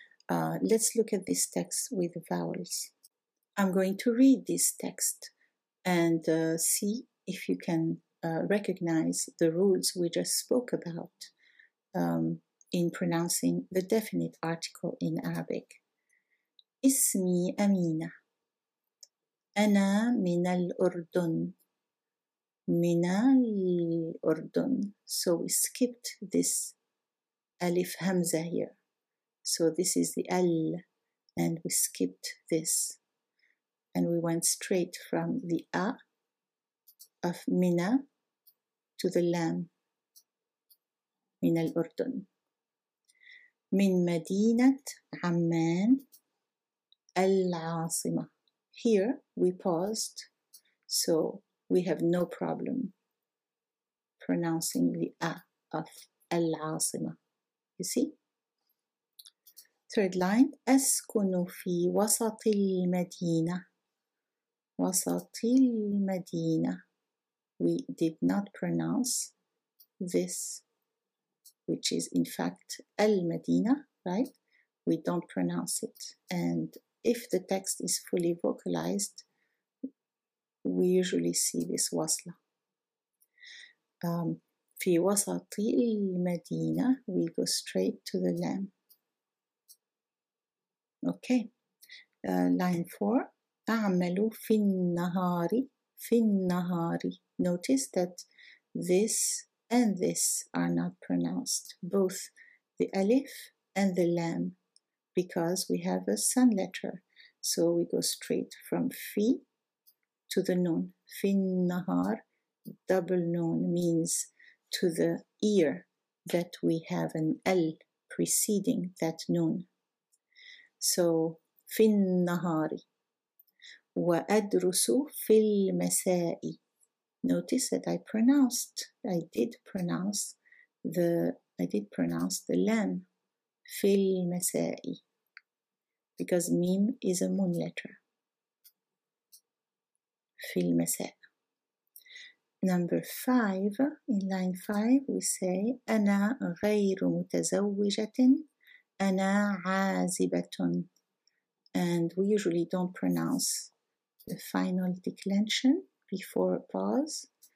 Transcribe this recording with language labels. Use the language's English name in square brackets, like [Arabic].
[English] Let's look at this text with the vowels. I'm going to read this text and see if you can recognize the rules we just spoke about in pronouncing the definite article in Arabic. [Arabic] اسمي أمينة أنا من الأردن من الأردن. [English] So we skipped this Alif Hamza here. So this is the L, and we skipped this. And we went straight from the A of Mina to the Lam. [Arabic] من الأردن. من مدينة عمان العاصمة. [English] Here we paused, so we have no problem pronouncing the A of العاصمة. You see? Third line, [Arabic] أسكن في وسط المدينة. وسط المدينة. [English] We did not pronounce this, which is in fact المدينة, right? We don't pronounce it. And if the text is fully vocalized, we usually see this wasla. [Arabic] في وسط المدينة, [English] we go straight to the lam. Okay, line 4. [Arabic] أعمل في النهار, في النهار. [English] Notice that this and this are not pronounced, both the alif and the lam, because we have a sun letter. So we go straight from fi to the nun. [Arabic] في النهار, [English] double nun, means to the ear, that we have an L preceding that nun. [Arabic] So في النهار. وأدرس في المساء. [English] Notice that I did pronounce the lam. [Arabic] في المساء. [English] Because mim is a moon letter. [Arabic] في المساء. [English] Number 5, in line 5, we say [Arabic] أنا غير متزوجة, أنا عازبة. [English] And we usually don't pronounce the final declension before a pause.